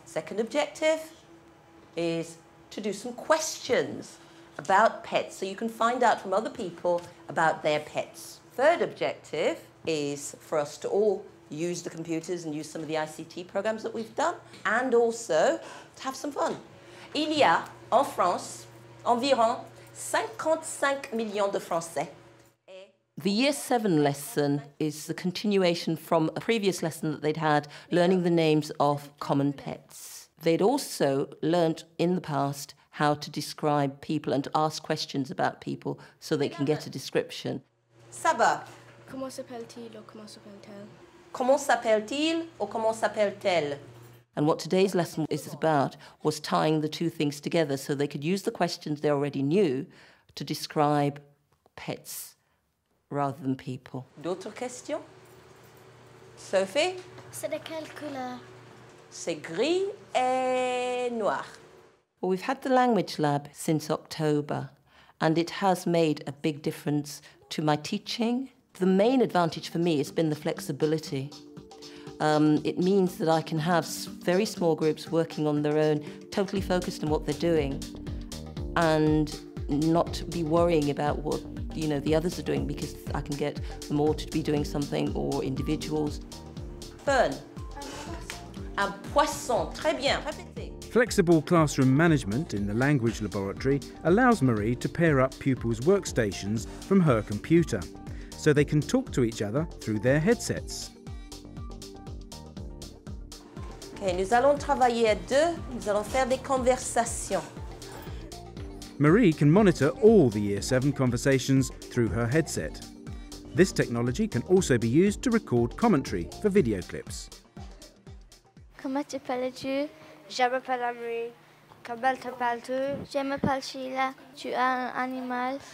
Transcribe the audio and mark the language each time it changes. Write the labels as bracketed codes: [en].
[en] Second objective is to do some questions about pets, so you can find out from other people about their pets. Third objective is for us to all use the computers and use some of the ICT programs that we've done, and also to have some fun. [fr] Il y a, en France, environ 55 millions de Français. [en] The Year 7 lesson is the continuation from a previous lesson that they'd had, learning the names of common pets. They'd also learnt in the past how to describe people and to ask questions about people so they can get a description. [fr] Ça va? Comment s'appelle-t-il ou comment s'appelle-t-elle? Comment s'appelle-t-il ou comment s'appelle-t-elle? [en] And what today's lesson is about was tying the two things together so they could use the questions they already knew to describe pets rather than people. [fr] D'autres questions? Sophie? C'est de quelle couleur? C'est gris et noir. [en] Well, we've had the language lab since October and it has made a big difference to my teaching. The main advantage for me has been the flexibility. It means that I can have very small groups working on their own, totally focused on what they're doing and not be worrying about what, you know, the others are doing because I can get them all to be doing something or individuals. [fr] Fern. Un poisson. Très bien. Répétez. [en] Flexible classroom management in the language laboratory allows Marie to pair up pupils' workstations from her computer, so they can talk to each other through their headsets. [fr] Okay, nous allons travailler à deux, nous allons faire des conversations. [en] Marie can monitor all the Year 7 conversations through her headset. This technology can also be used to record commentary for video clips. [fr] Comment t'appelles-tu? Je m'appelle Amri. Comment t'appelles-tu? Je m'appelle Sheila. Tu as un animal?